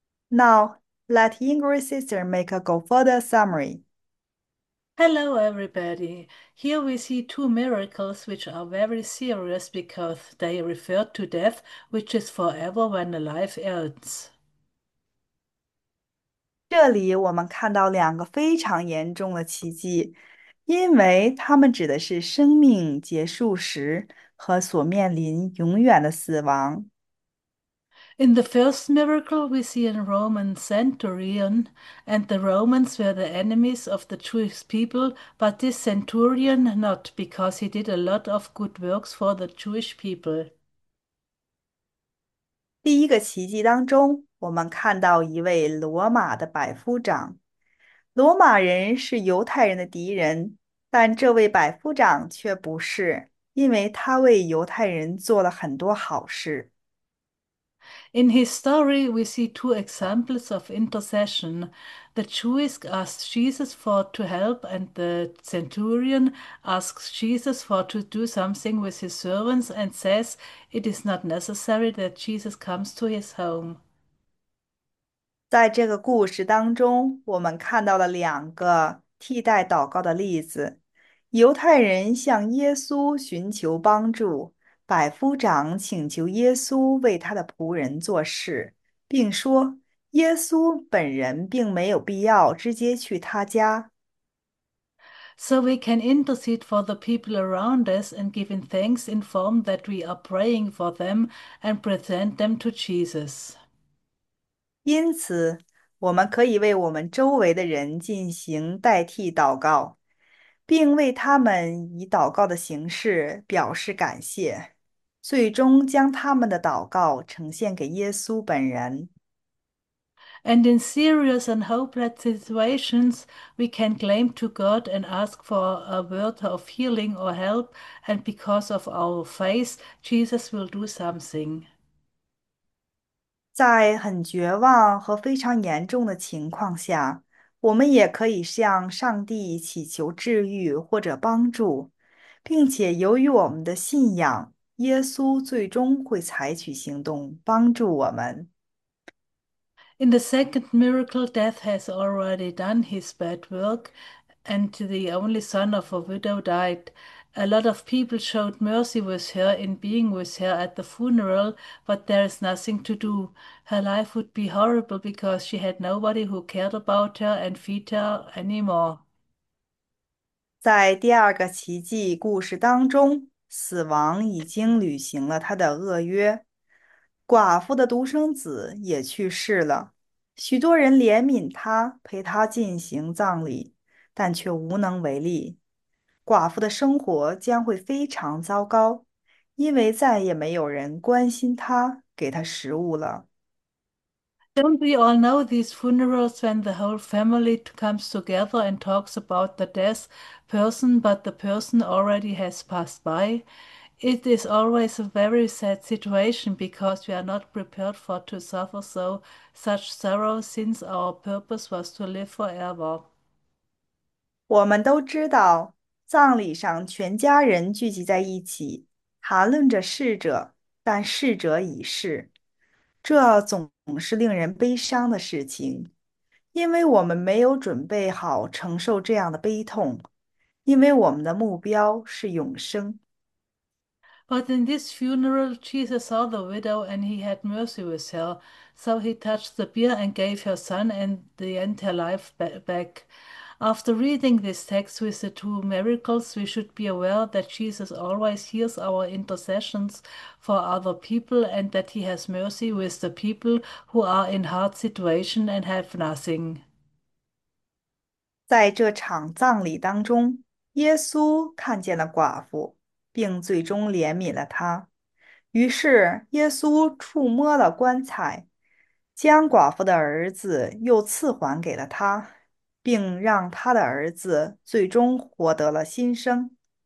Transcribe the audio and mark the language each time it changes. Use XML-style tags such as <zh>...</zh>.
<en>Now, let Ingrid's sister make a go further summary. Hello, everybody. Here we see two miracles which are very serious because they refer to death, which is forever when the life ends.</en> <zh>这里我们看到两个非常严重的奇迹，因为它们指的是生命结束时和所面临永远的死亡。</zh> <en>In the first miracle, we see a Roman centurion, and the Romans were the enemies of the Jewish people, but this centurion not, because he did a lot of good works for the Jewish people.</en> <zh>第一个奇迹当中。我们看到一位罗马的百夫长，罗马人是犹太人的敌人，但这位百夫长却不是，因为他为犹太人做了很多好事。</zh> <en>In his story, we see two examples of intercession. The Jewish asks Jesus for to help, and the centurion asks Jesus for to do something with his servants and says it is not necessary that Jesus comes to his home.</en> <zh>在这个故事当中，我们看到了两个替代祷告的例子，犹太人向耶稣寻求帮助，百夫长请求耶稣为他的仆人做事，并说耶稣本人并没有必要直接去他家。</zh> <en>So we can intercede for the people around us and giving thanks inform that we are praying for them and present them to Jesus.</en> <zh>因此，我们可以为我们周围的人进行代替祷告，并为他们以祷告的形式表示感谢，最终将他们的祷告呈现给耶稣本人。</zh> <en>And in serious and hopeless situations, we can claim to God and ask for a word of healing or help, and because of our faith, Jesus will do something.</en> <zh>在很绝望和非常严重的情况下，我们也可以向上帝祈求治愈或者帮助，并且由于我们的信仰，耶稣最终会采取行动帮助我们。</zh> <en>In the second miracle, death has already done his bad work, and the only son of a widow died. A lot of people showed mercy with her in being with her at the funeral, but there is nothing to do. Her life would be horrible because she had nobody who cared about her and feed her anymore.</en> <zh>在第二个奇迹故事当中，死亡已经履行了他的厄约，寡妇的独生子也去世了。许多人怜悯他，陪他进行葬礼，但却无能为力。寡妇的生活将会非常糟糕，因为再也没有人关心他，给他食物了。</zh> <en>Don't we all know these funerals when the whole family comes together and talks about the dead person, but the person already has passed by? It is always a very sad situation because we are not prepared for to suffer so such sorrow since our purpose was to live forever.</en> <zh>我们都知道，葬礼上全家人聚集在一起，谈论着逝者，但逝者已逝，这总是令人悲伤的事情，因为我们没有准备好承受这样的悲痛，因为我们的目标是永生。</zh> <en>But in this funeral, Jesus saw the widow and he had mercy with her. So he touched the bier and gave her son and the end her life back. After reading this text with the two miracles, we should be aware that Jesus always hears our intercessions for other people and that he has mercy with the people who are in hard situation and have nothing.</en> <zh>在这场葬礼当中，耶稣看见了寡妇，并最终怜悯了她。于是，耶稣触摸了棺材，将寡妇的儿子又赐还给了她，并让她的儿子最终获得了新生。</zh>